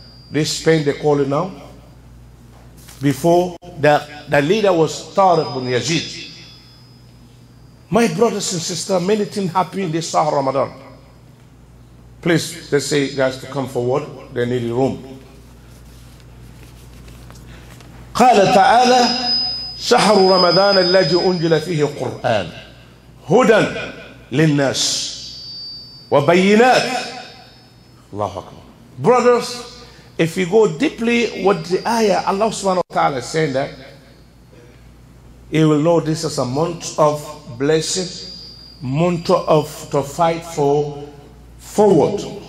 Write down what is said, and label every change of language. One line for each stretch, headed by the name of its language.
English: This Spain, they call it now. Before, the leader was Tariq ibn Yazid. My brothers and sisters, many things happen this Sahar Ramadan. Please, they say, guys, to come forward. They need a room.
Arabic: قال تعالى شهر رمضان الذي أنزل فيه القرآن هدى للناس وبينات. الله أكبر.
English: Brothers, if you go deeply with the ayah, Allah subhanahu wa ta'ala is saying that, you will know this is a month of blessing, month of to fight for forward.